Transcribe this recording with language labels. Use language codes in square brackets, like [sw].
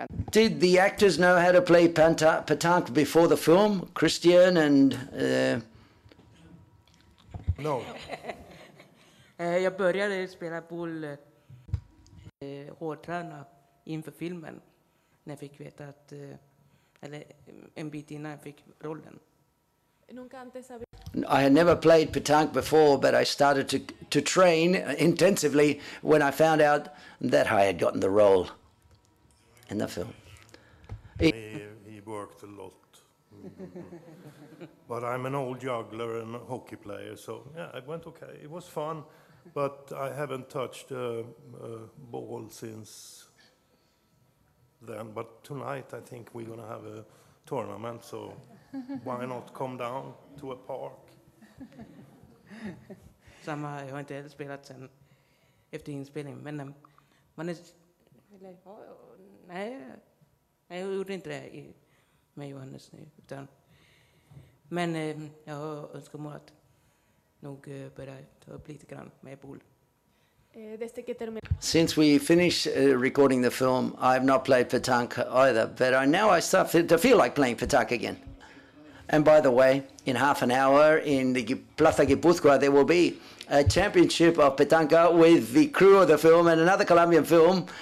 [en] Did the actors know how to play petanque before the film, Christian and? No. [sv] Jag började spela boll hårdträna inför filmen när jag fick veta att eller en bit innan jag fick rollen. [en] I had never played petanque before, but I started to train intensively when I found out that I had gotten the role in the film. He worked a lot. But I'm an old juggler and a hockey player, so yeah, it went okay. It was fun, but I haven't touched a ball since then. But tonight I think we're going to have a tournament, so why not come down to a park? [sv] Samma, jag har inte spelat sen efter inspelningen, men man är nej, jag gjorde inte det med Johannes nu, utan men jag har önskemål att nog börja ta upp lite grann med boll. [en] Since we finished recording the film, I've not played petanque either, but I start to feel like playing petanque again. And by the way, in half an hour in the Plaza Guipúzcoa, there will be a championship of petanque with the crew of the film and another Colombian film.